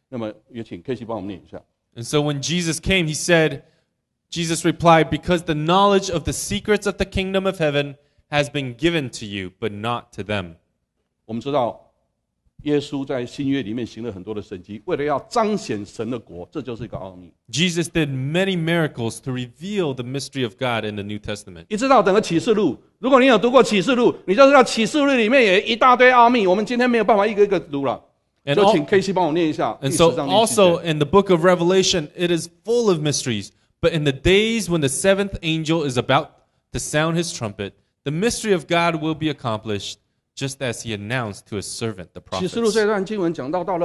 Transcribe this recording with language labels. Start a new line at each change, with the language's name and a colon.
Chinese: 事实上耶稣他说天国来的时候，他说天国的奥秘是你们不知道的。那么也请KC帮我们念一下。
English: And so when Jesus came, he said, Jesus replied, "Because the knowledge of the secrets of the kingdom of heaven has been given to you, but not to them."
Chinese: 我们知道耶稣在新约里面行了很多的神迹，为了要彰显神的国，这就是一个奥秘。
English: Jesus did many miracles to reveal the mystery of God in the New Testament.
Chinese: 一直到整个启示录。如果你有读过启示录，你就知道启示录里面也一大堆奥秘。我们今天没有办法一个一个读了，就请KC帮我念一下。
English: And so in the book of Revelation, it is full of mysteries. But in the days when the seventh angel is about to sound his trumpet, the mystery of God will be accomplished, just as he announced to his servant the prophets.